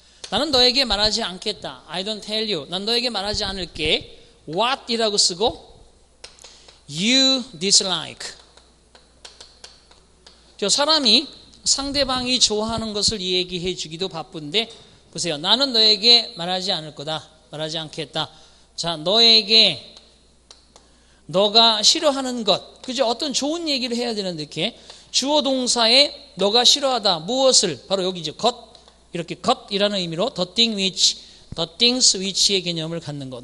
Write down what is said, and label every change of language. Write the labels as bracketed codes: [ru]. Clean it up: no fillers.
[ko] 나는 너에게 말하지 않겠다. [en] I don't tell you. [ko] 난 너에게 말하지 않을게. What이라고 쓰고 [en] you dislike. [ko] 저 사람이 상대방이 좋아하는 것을 얘기해 주기도 바쁜데 보세요. 나는 너에게 말하지 않을 거다. 말하지 않겠다. 자, 너에게 너가 싫어하는 것. 그죠? 어떤 좋은 얘기를 해야 되는데 이렇게 주어 동사에 너가 싫어하다 무엇을 바로 여기 이제 것 이렇게 것이라는 의미로 [en] the thing which, the things which [ko] 의 개념을 갖는 것.